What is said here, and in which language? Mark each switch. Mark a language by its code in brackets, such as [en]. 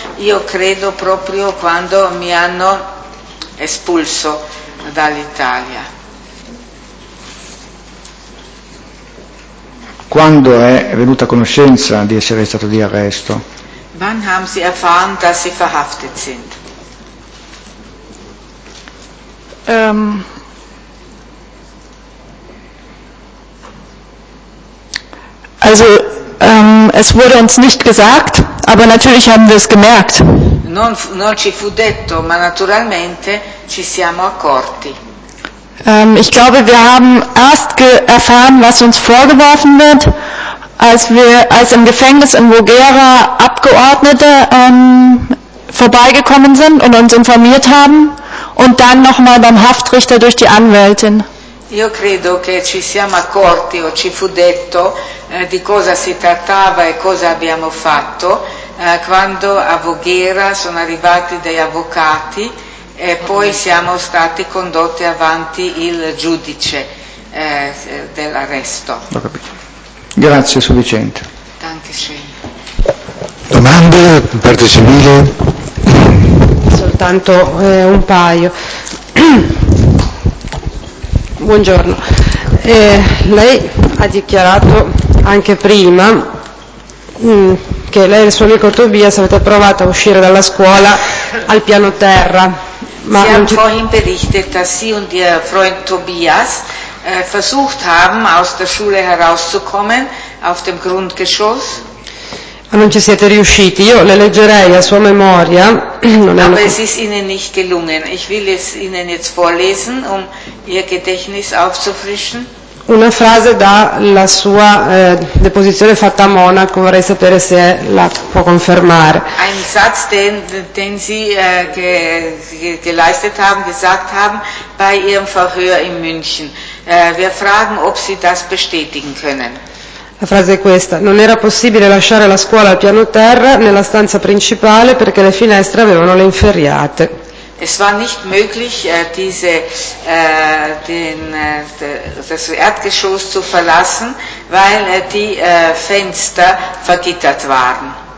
[it] Io credo proprio quando mi hanno espulso dall'Italia. Quando è venuta a conoscenza di essere stato di arresto? [de] Wann haben Sie erfahren, dass Sie verhaftet sind? Es wurde uns nicht gesagt, aber natürlich haben wir es gemerkt. [it] Non ci fu detto, ma naturalmente ci siamo accorti. [de] Ich glaube, wir haben erst erfahren, was uns vorgeworfen wird, als im Gefängnis in Voghera Abgeordnete vorbeigekommen sind und uns informiert haben und dann nochmal beim Haftrichter durch die Anwältin. [it] Io credo che ci siamo accorti o ci fu detto di cosa si trattava e cosa abbiamo fatto quando a Voghera sono arrivati dei avvocati e poi siamo stati condotti avanti il giudice dell'arresto. Ho capito. Grazie, sufficiente. [de] Dankeschön. [it] Domande, parte civile? Soltanto un paio. Buongiorno. Lei ha dichiarato anche prima che lei e il suo amico Tobias avete provato a uscire dalla scuola al piano terra. [de] Ma Sie haben vorhin berichtet, dass Sie und Ihr Freund Tobias versucht haben, aus der Schule herauszukommen, auf dem Grundgeschoss. [it] Ma non ci siete riusciti. Io le leggerei a sua memoria. Non è una... [de] Aber es ist Ihnen nicht gelungen. Ich will es Ihnen jetzt vorlesen, um Ihr Gedächtnis aufzufrischen. [it] Una frase dalla sua deposizione fatta a Monaco, vorrei sapere se la può confermare. [de] Ein Satz, den Sie geleistet haben, gesagt haben, bei Ihrem Verhör in München. Wir fragen, ob Sie das bestätigen können. [it] La frase è questa: non era possibile lasciare la scuola al piano terra, nella stanza principale, perché le finestre avevano le inferriate. [de] Es war nicht möglich, diese, den, das Erdgeschoss zu verlassen, weil die Fenster vergittert waren.